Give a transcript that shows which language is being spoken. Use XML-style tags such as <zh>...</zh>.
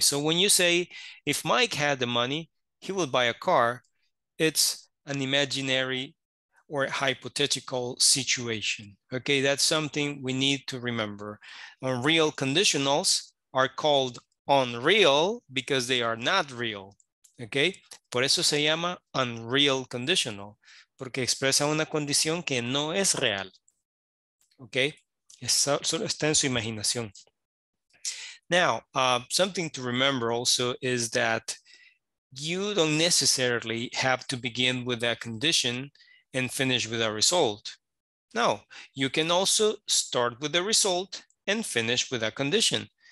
<en>So when you say, if Mike had the money, he would buy a car, it's an imaginary or hypothetical situation. Okay, that's something we need to remember. Unreal conditionals are called unreal because they are not real.</en> <es>Okay, por eso se llama unreal conditional, porque expresa una condición que no es real. Okay, solo está en su imaginación.</es> <en>Now, something to remember also is that you don't necessarily have to begin with that condition and finish with a result. No, you can also start with the result and finish with a condition.</en>